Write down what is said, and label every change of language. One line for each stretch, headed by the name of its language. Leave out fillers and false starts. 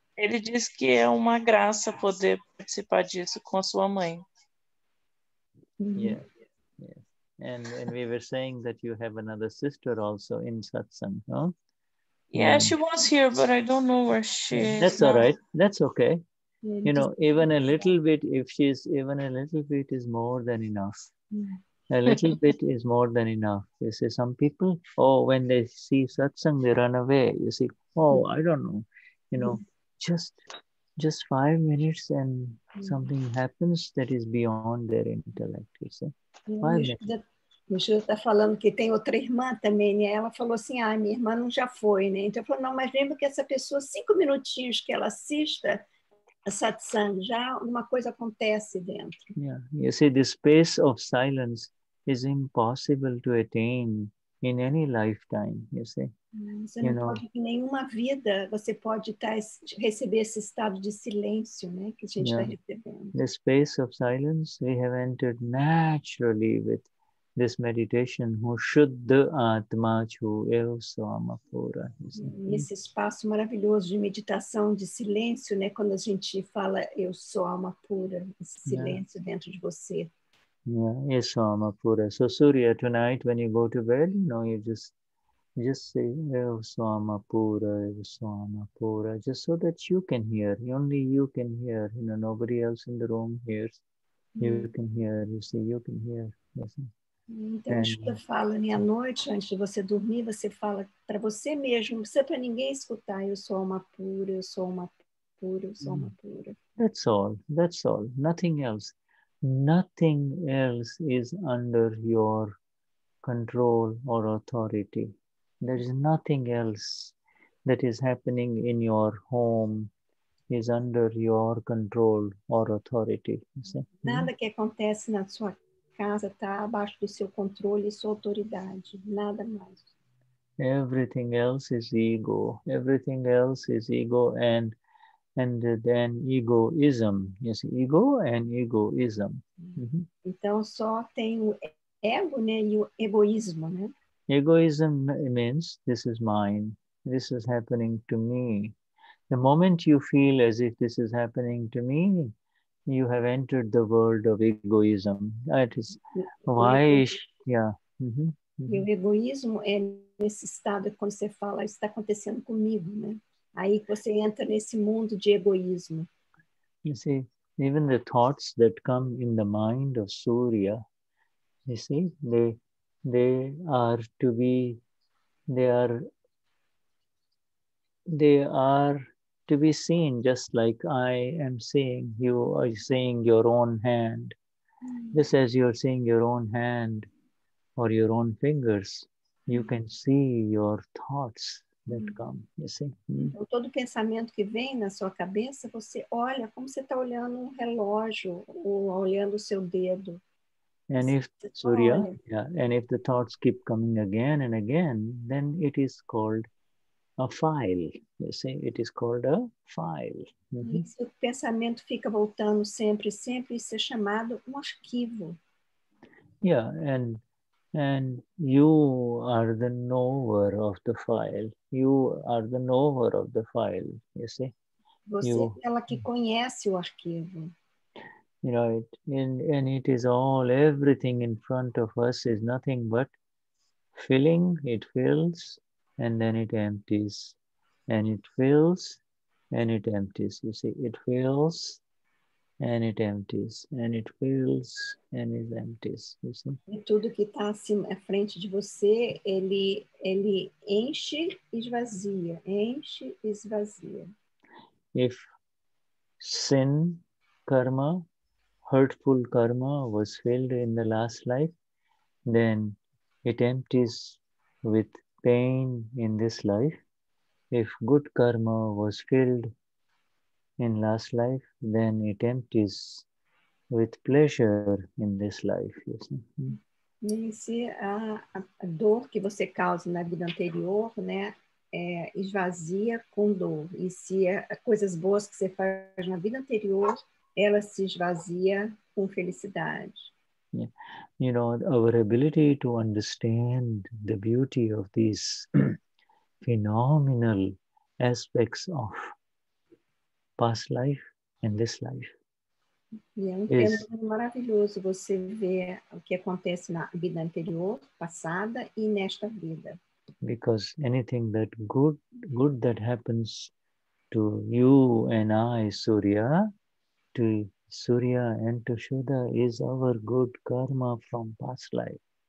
Portuguese: Ele disse que é uma graça poder participar disso com a sua mãe.
English: Yeah. And we were saying that you have another sister also in satsang, no? Yeah, she was here, but I don't know where she is. That's all right. That's okay. You know, even a little bit, if she's, even a little bit is more than enough. A little bit is more than enough. You see, some people, oh, when they see satsang, they run away. You see, oh, I don't know. You know, just 5 minutes and something happens that is beyond their intellect, you see.
Portuguese: O Shuddha está falando que tem outra irmã também, e ela falou assim, ah, minha irmã não já foi, né? Então eu falei, não, mas lembra que essa pessoa, 5 minutinhos que ela assista a satsang, já uma coisa acontece dentro.
English: Yeah. You see, the space of silence is impossible to attain in any lifetime, you see.
Portuguese: Você não pode, em nenhuma vida você pode receber esse estado de silêncio, né, que a gente está recebendo.
English: The space of silence we have entered naturally with this meditation, who should the atma chu
Portuguese: eu sou amapura. Esse espaço maravilhoso de meditação, de silêncio, né, quando a gente fala eu sou amapura, esse silêncio dentro de você. Yeah, eu sou amapura.
English: So Surya, tonight when you go to bed, you know, you just say
Portuguese: eu sou amapura, eu sou amapura,
English: just so that you can hear, only you can hear, you know, nobody else in the room hears. You can hear, you see, you can hear. Yes.
Portuguese: Então, a Shuddha fala, né, à noite, antes de você dormir, você fala para você mesmo, não precisa para ninguém escutar, eu sou alma pura, eu sou alma pura, eu sou alma pura.
English: That's all, nothing else. Nothing else is under your control or authority. There is nothing else that is happening in your home is under your control or authority. You see?
Portuguese: Nada que acontece na sua casa está abaixo do seu controle e sua autoridade, nada mais.
English: Everything else is ego. Everything else is ego and then egoism. Yes, ego and egoism. Mm-hmm.
Portuguese: Então só tem o ego, né, e o egoísmo, né?
English: Egoism means this is mine. This is happening to me. The moment you feel as if this is happening to me, you have entered the world of egoism. That is why, yeah.
Portuguese: E o egoísmo é nesse estado que quando você fala, isso está acontecendo comigo, né? Aí você entra nesse mundo de egoísmo.
English: You see, even the thoughts that come in the mind of Surya, you see, they are to be seen just like I am seeing you are seeing your own hand. Just as you are seeing your own hand or your own fingers, you can see your thoughts that come, you see.
Portuguese: Então, todo pensamento que vem na sua cabeça, você olha como você está olhando um relógio ou olhando o seu dedo.
English: And if Surya, yeah, and if the thoughts keep coming again and again, then it is called a file. You see, it is called a file.
Portuguese: Se o pensamento fica voltando sempre, sempre, isso é chamado um arquivo.
English: Yeah, and you are the knower of the file. You are the knower of the file. You see,
Portuguese: você é ela que conhece o arquivo.
English: You know, it is all, everything in front of us is nothing but filling, it fills, and then it empties, and it fills, and it empties. You see, it fills, and it empties, and it fills, and it empties. You see?
Portuguese: E tudo que está assim à frente de você, ele enche e esvazia, enche e esvazia.
English: If sin, karma, hurtful karma was filled in the last life, then it empties with pain in this life. If good karma was filled in last life, then it empties with pleasure in this life. You see?
Portuguese: E se a dor que você causa na vida anterior, né, é esvazia com dor. E se as coisas boas que você faz na vida anterior, ela se esvazia com felicidade.
English: Yeah. You know, our ability to understand the beauty of these phenomenal aspects of past life and this life.
Portuguese: É maravilhoso você ver o que acontece na vida anterior, passada e nesta vida.
English: Because anything that good that happens to you and I, Surya, to Surya and to Shuddha is our good karma from past life.